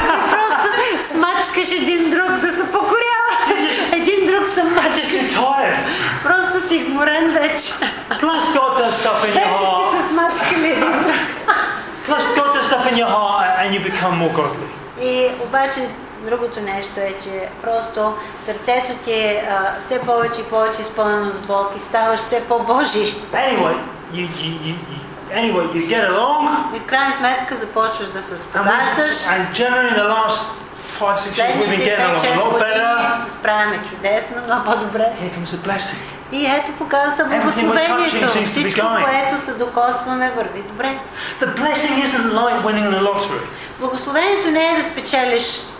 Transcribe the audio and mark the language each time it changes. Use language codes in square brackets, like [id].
[bg] Просто смачкаш един друг да се покорява. Един друг се мачка. Просто си изморен вече. [en] Plus God does stuff in your heart. [bg] Вече си се смачкали един друг. [en] Plus God does stuff in your heart and you become more godly. [bg] И обаче другото нещо е, че просто сърцето ти е все повече и повече изпълнено с Бог и ставаш все по-божи. [en] Anyway, you get along. [bg] И в крайна сметка започваш да се спогаждаш. [en] And generally the last 5-6 years we've been getting along a lot better. [bg] Се справяме чудесно, много по-добре. [en] Here comes the blessing. [bg] И ето показва се благословението. Всичко, което се докосваме, върви добре. [en] The blessing isn't like winning the lottery. [bg] Благословението не е да спечелиш